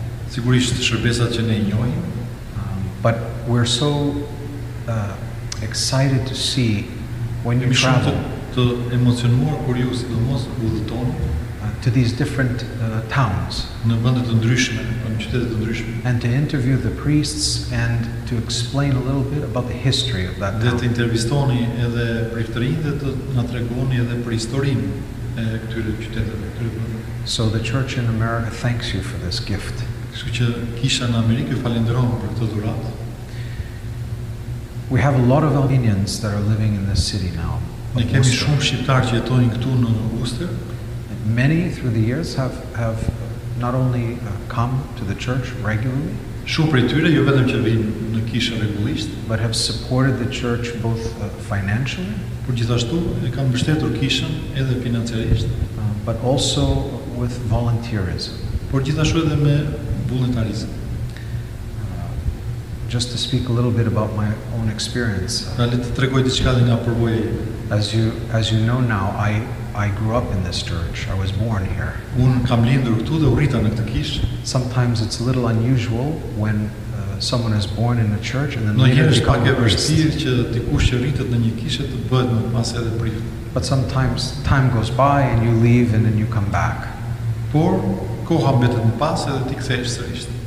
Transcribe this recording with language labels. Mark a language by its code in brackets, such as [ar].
[sq] Sigurisht shërbesat që ne I njohim. [en] But we're so excited to see when you travel. [sq] Të emocionuar kur ju sidomos udhëtoni [en] to these different towns. [sq] Në vende të ndryshme, në qytete të ndryshme. [en] And to interview the priests and to explain a little bit about the history of that town. [sq] Dhe të intervistoni edhe priftërinë dhe të na tregoni edhe për historinë e këtyre qyteteve. [en] So the church in America thanks you for this gift. [sq] Kisha në Amerikë ju falenderon për këtë dhuratë. [en] We have a lot of Albanians that are living in this city now. [sq] Ne kemi shumë shqiptarë që jetojnë këtu në Worcester. [en] Many through the years have not only come to the church regularly. [sq] Shumë prej tyre jo vetëm që vinë në kishë rregullisht, [en] but have supported the church both financially. [sq] Por gjithashtu e kanë mbështetur kishën edhe financiarisht. [en] But also with volunteerism. [sq] Por gjithashtu edhe me voluntarizëm. [en] Just to speak a little bit about my own experience. [sq] Na le të tregoj diçka nga përvoja ime. [en] As you know now, I grew up in this church. I was born here. [sq] Un kam lindur këtu dhe u rrita në këtë kishë. [en] Sometimes it's a little unusual when someone is born in a church and then later becomes a priest. [sq] Në një kishë që dikush që rritet në një kishë të bëhet më pas edhe prift. [en] But sometimes time goes by and you leave and then you come back. [sq] Por koha mbetet më pas edhe ti kthesh sërish.